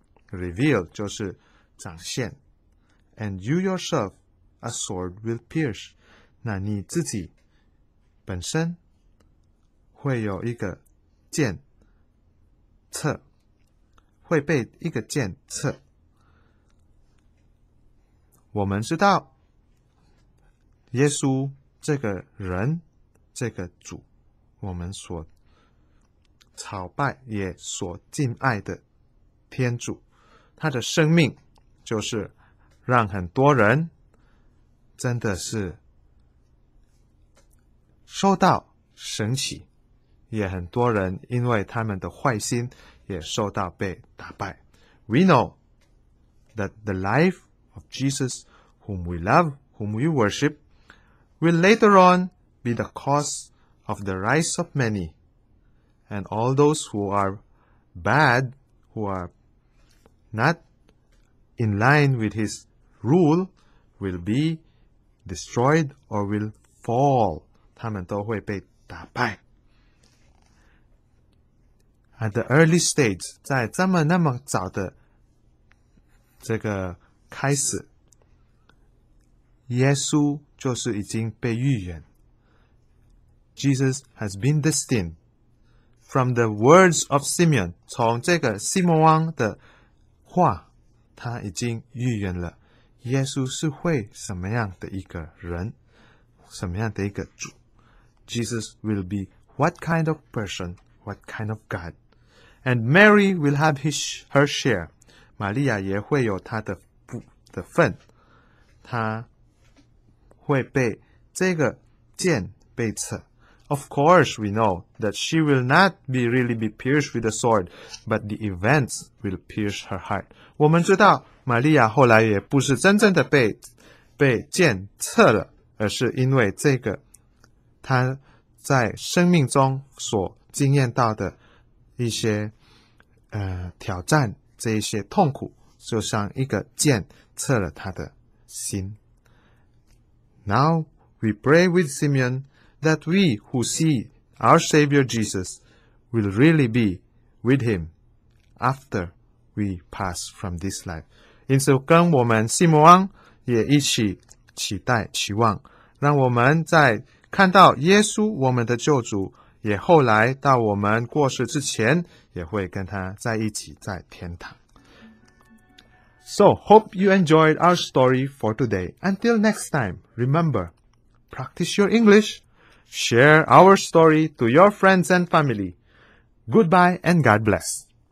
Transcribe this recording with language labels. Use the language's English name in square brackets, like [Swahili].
[Chinese] Reveal 就是展现。 [English] And you yourself, a sword will pierce. [Chinese] 那你自己本身会有一个剑刺，会被一个剑刺。我们知道耶稣这个人，这个主，我们所朝拜也所敬爱的天主，他的生命就是让很多人真的是受到神奇，也很多人因为他们的坏心也受到被打败。 [English] We know that the life of Jesus, whom we love, whom we worship,will later on be the cause of the rise of many, and all those who are bad, who are not in line with his rule, will be destroyed or will fall. [Chinese] 他们都会被打败。 [English] At the early stage, [Chinese] 在这么那么早的这个开始，耶稣就是已经被预言。 [English] Jesus has been destined from the words of Simeon， [Chinese] 从这个西摩王的话，他已经预言了耶稣是会什么样的一个人，什么样的一个主。 [English] Jesus will be what kind of person, what kind of God, and Mary will have her share， [Chinese] 玛利亚也会有她的份，她会被这个剑被刺。 [English] Of course, we know that she will not be really be pierced with a sword, but the events will pierce her heart. [Chinese] 我们知道玛利亚后来也不是真正的被剑刺了，而是因为这个她在生命中所经验到的一些挑战，这一些痛苦，就像一个剑刺了她的心。 [English] Now we pray with Simeon that we who see our Savior Jesus will really be with him after we pass from this life. [Chinese] 因此跟我们西摩王也一起期待期望，让我们在看到耶稣我们的救主也后来到我们过世之前也会跟他在一起在天堂。 [English] So, hope you enjoyed our story for today. Until next time, remember, practice your English. share our story to your friends and family. Goodbye and God bless.